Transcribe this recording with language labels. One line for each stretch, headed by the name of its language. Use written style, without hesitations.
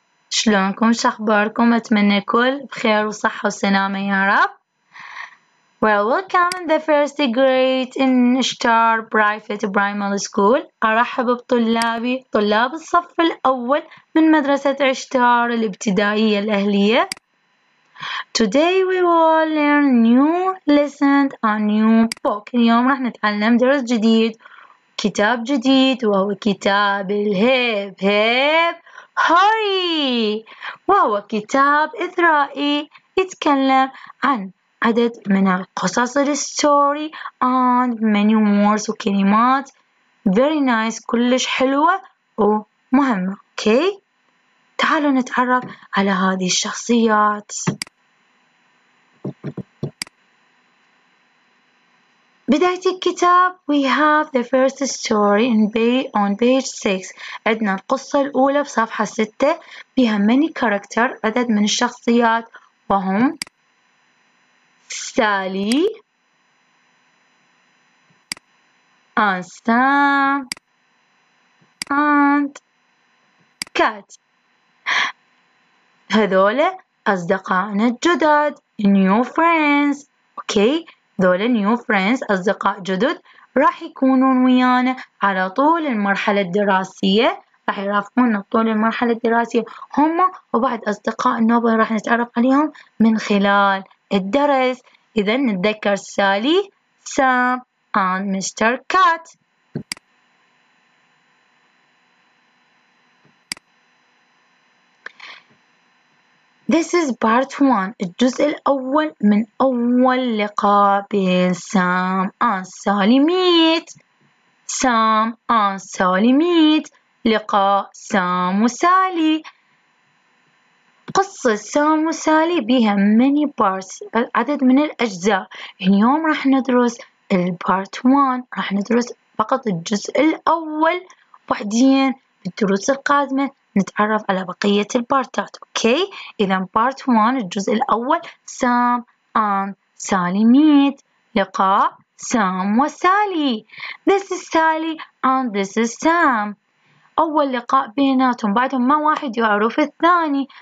Arabic: شلونكم شخباركم؟ أتمنى كل بخير وصحة وسلامة يا رب.
English: Well, welcome in the first grade in Star Private Primary School.
Arabic: أرحب بطلابي طلاب الصف الأول من مدرسة عشتار الابتدائية الأهلية.
English: Today we will learn new lesson and new book.
Arabic: اليوم راح نتعلم درس جديد كتاب جديد وهو كتاب الهيب هيب هوري وهو كتاب إثرائي يتكلم عن عدد من القصص الستوري
English: and many words
Arabic: وكلمات
English: very nice
Arabic: كلش حلوة ومهمة. Okay, تعالوا نتعرف على هذه الشخصيات. بداية الكتاب
English: we have the first story on page 6.
Arabic: عندنا القصة الأولى بصفحة 6 بها
English: many character
Arabic: عدد من الشخصيات وهم سالي and Sam and Kat. هذول أصدقائنا الجدد
English: new friends.
Arabic: Okay, دول
English: new friends
Arabic: أصدقاء جدد راح يكونون ويانا على طول المرحلة الدراسية، راح يرافقوننا طول المرحلة الدراسية هم وبعض أصدقاء النوبل راح نتعرف عليهم من خلال الدرس. إذا نتذكر سالي سام and Mr.
English: Cat. This is part one.
Arabic: الجزء الأول من أول لقاء بين سام
English: and Sally meet. Sam and Sally meet.
Arabic: لقاء سام وسالي. قصة سام وسالي بها
English: many parts.
Arabic: عدد من الأجزاء. اليوم راح ندرس البارت 1. راح ندرس فقط الجزء الأول. بعدين بالدروس القادمة نتعرف على بقية البارتات. اوكي، اذا بارت 1 الجزء الاول سام and Sally meet. لقاء سام وسالي.
English: This is Sally and this is Sam.
Arabic: اول لقاء بيناتهم، بعدهم ما واحد يعرف الثاني.